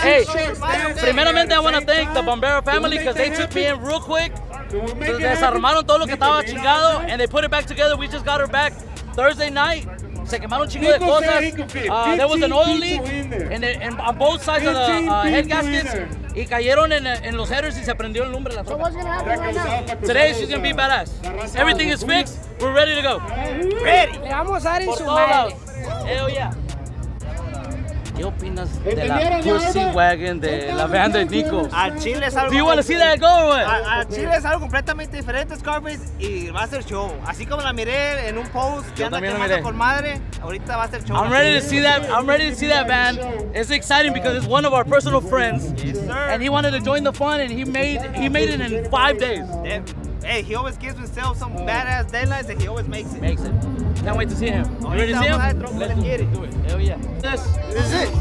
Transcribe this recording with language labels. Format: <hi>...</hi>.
<en>Hey, primeramente, I want to thank the Bombero family because they took me in real quick.</en> <es>Desarmaron todo lo que estaba chingado,</es> <en>and they put it back together. We just got her back Thursday night.</en> <es>Se quemaron chingo de cosas.</es> <en>There was an oil leak, and on both sides of the head gaskets.</en> <es>Y cayeron en los headers y se prendió el nombre de la troca.</es> <en>So what's gonna happen right now? Today she's gonna be badass. Everything is fixed. We're ready to go.</en> <es>Ready. Le vamos a dar en su madre.</es> <en>Hell yeah.</en> <es>¿Qué opinas de la pussy wagon de la banda de Nico? A Chile es algo...</es> <en>Do you want to see that go or what?</en> <es>A Chile es algo completamente diferente, Scarface, y va a ser show. Así como la miré en un post que anda quemando con madre, ahorita va a ser show.</es> <en>I'm ready to see that. I'm ready to see that band. It's exciting because it's one of our personal friends. Yes, sir. And he wanted to join the fun, and he made it in 5 days. Hey, he always gives himself some badass deadlines, and he always makes it. Makes it. Can't wait to see him. You ready to see him? Let's do it. Hell yeah. This is it.</en>